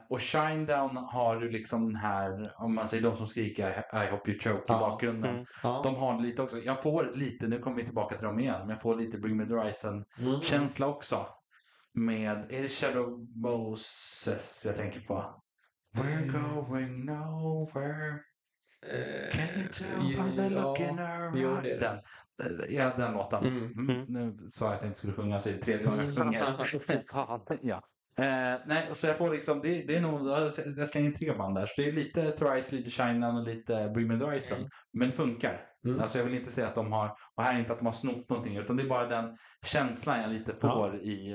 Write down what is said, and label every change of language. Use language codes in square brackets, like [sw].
[sv] Och Shinedown har ju liksom den här, om man säger de som skriker I Hope You Choke i bakgrunden. Mm. De har lite också. Jag får lite, nu kommer vi tillbaka till dem igen, men jag får lite Bring Me The Horizon-känsla också. Med, är det Shadow Moses jag tänker på? [en] We're going nowhere. Can you tell by the look in her eye? [sv] Den låten. Mm. Mm. Nu sa jag att jag inte skulle sjunga, så det är tredje gången jag sjunger. Ja. Nej, så jag får liksom, det är nog, jag slänger in tre band där. Så det är lite Thrice, lite Shinedown och lite Bring Me The Horizon. Mm. Men det funkar. Mm. Alltså jag vill inte säga att de har, och här är inte att de har snott någonting, utan det är bara den känslan jag lite får i.